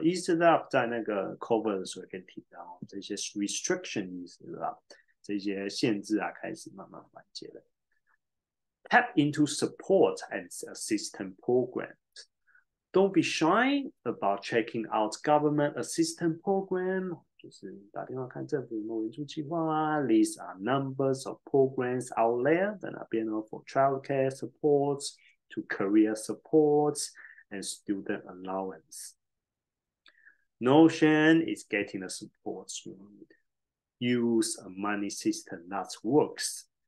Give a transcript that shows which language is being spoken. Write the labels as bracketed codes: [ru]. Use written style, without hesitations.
[en] Eased up [zh] 在那个 cover 的时候可以提到这些 [en] restriction eased up, [zh] 这些限制啊开始慢慢缓解了。 [en] Tap into support and assistance programs. Don't be shy about checking out government assistance program. [zh] 就是打电话看政府有没有援助计划啊。 [en] These are numbers of programs out there. [zh] 在那边哦 [en] for childcare supports, to career supports, and student allowance. No shame is getting the supports you need. Use a money system that works.